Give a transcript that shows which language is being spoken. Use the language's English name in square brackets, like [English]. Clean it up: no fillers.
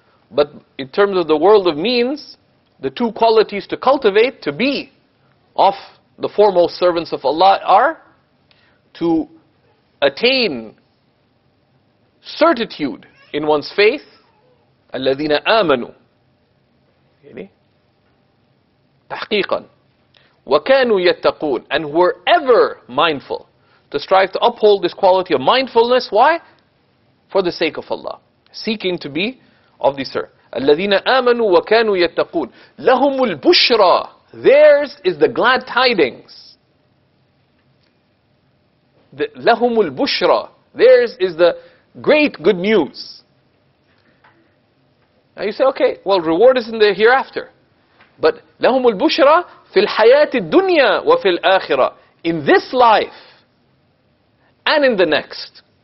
[English] But in terms of the world of means, the two qualities to cultivate to be of the foremost servants of Allah are to attain certitude in one's faith, [Arabic] الَّذِينَ آمَنُوا تَحْقِيقًا وَكَانُوا يَتَّقُونَ, [English] and were ever mindful, to strive to uphold this quality of mindfulness. Why? For the sake of Allah, seeking to be of the sir. [Arabic] الَّذِينَ آمَنُوا وَكَانُوا يَتَّقُونَ لَهُمُ الْبُشْرَى, [English] theirs is the glad tidings. [Arabic] لَهُمُ الْبُشْرَى, [English] theirs is the great good news. Now you say, okay, well, reward is in the hereafter. But [Arabic] لَهُمُ الْبُشْرَى فِي الْحَيَاةِ الدُّنْيَا وَفِي الْآخِرَةِ, [English] in this life and in the next.